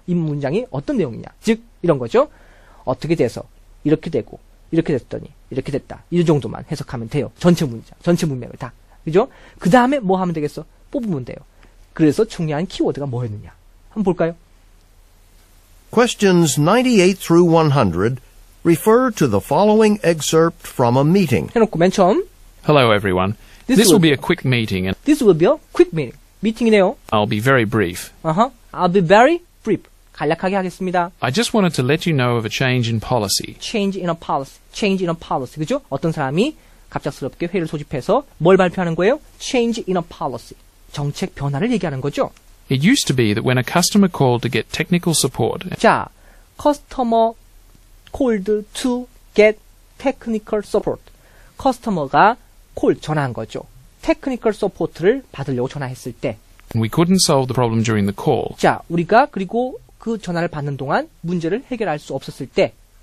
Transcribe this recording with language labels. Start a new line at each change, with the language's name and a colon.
Korean: 이 문장이 어떤 내용이냐. 즉 이런 거죠. 어떻게 돼서 이렇게 되고 이렇게 됐더니 이렇게 됐다. 이 정도만 해석하면 돼요. 전체 문장, 전체 문맥을 다. 그죠? 그 다음에 뭐 하면 되겠어? 뽑으면 돼요. 그래서 중요한 키워드가 뭐였느냐. 한번 볼까요?
English: Questions 98 through 100 refer to the following excerpt from a meeting.
Korean: 해놓고 맨 처음.
English: Hello, everyone. This will be a quick meeting. And this will be a quick meeting.
Korean: 미팅이네요.
English: I'll be very brief. I'll be very brief.
Korean: 간략하게 하겠습니다.
English: I just wanted to let you know of a change in policy. Change in a policy. Change in a policy.
Korean: 그죠? 어떤 사람이 갑작스럽게 회의를 소집해서 뭘 발표하는 거예요?
English: Change in a policy.
Korean: 정책 변화를 얘기하는 거죠.
English: It used to be that when a customer called to get technical support. 자, customer called to get technical support.
Korean: Customer가 call 전화한 거죠. Technical support를 받으려고 전화했을 때.
English: We couldn't solve the problem during the call.
Korean: 자, 우리가 그리고 그 전화를 받는 동안 문제를 해결할 수 없었을 때.